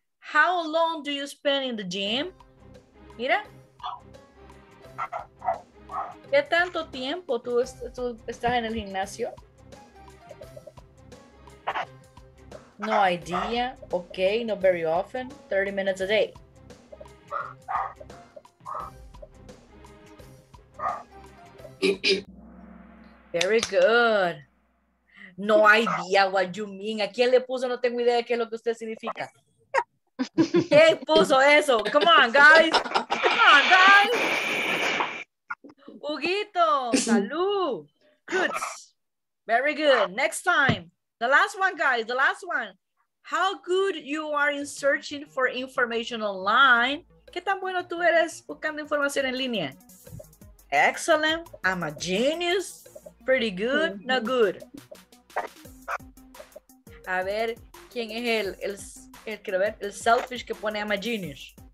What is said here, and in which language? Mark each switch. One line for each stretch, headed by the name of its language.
English: How long do you spend in the gym?
Spanish: Mira. ¿Qué tanto tiempo tú estás en el gimnasio?
English: No idea. Okay, not very often. 30 minutes a day. Very good. No idea what you mean.
Spanish: ¿A quién le puso? No tengo idea de qué es lo que usted significa. ¿Quién puso eso?
English: Come on, guys. Come on, guys. Huguito, salud. Good. Very good. Next time. The last one, guys. The last one. How good you are in searching for information online.
Spanish: ¿Qué tan bueno tú eres buscando información en línea?
English: Excellent. I'm a genius. Pretty good, not good.
Spanish: A ver, ¿quién es el quiero ver, el selfish que pone
English: I'm a genius?